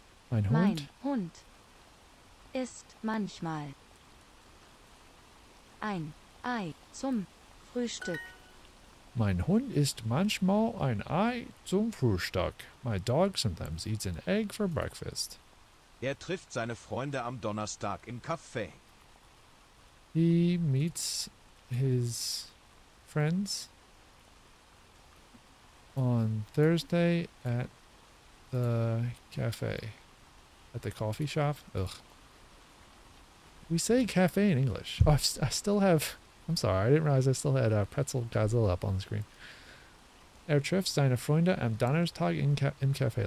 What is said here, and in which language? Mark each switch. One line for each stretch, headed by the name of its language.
German: Mein Hund isst manchmal ein Ei zum Frühstück. Mein Hund isst manchmal ein Ei zum Frühstück.
English: My dog sometimes eats an egg for breakfast.
German: Er trifft seine Freunde am Donnerstag im Café.
English: He meets his friends on Thursday at the cafe. At the coffee shop. Ugh. We say cafe in English. Oh, I'm sorry, I didn't realize I still had a pretzel Godzilla up on the screen.
German: Er trifft seine Freunde am Donnerstag im Café.